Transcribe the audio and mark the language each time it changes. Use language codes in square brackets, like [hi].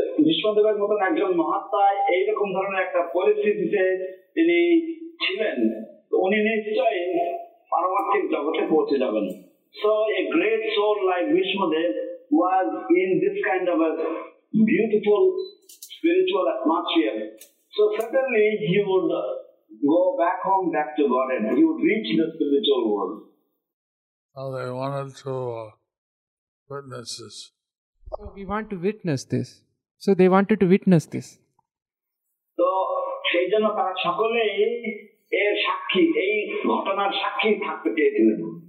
[bn] বিষ্ণুদেবের মতন একজন মহাত্মা এইরকম ধরনের একটা পরিস্থিতিতে তিনি ছিলেন, উনি নিশ্চয়ই পারমার্থিক জগতে পৌঁছে যাবেন। [en] So a great soul like Bhishmadev was in this kind of a beautiful spiritual atmosphere. So suddenly he would go back home, back to Godhead. He would reach the spiritual world. Oh, they wanted to witness this. So we want to witness this. So they wanted to witness this. [bn] So সেই জন্য তারা সকলেই এর সাক্ষী, এই ঘটনার সাক্ষী থাকতে চেয়েছিলেন।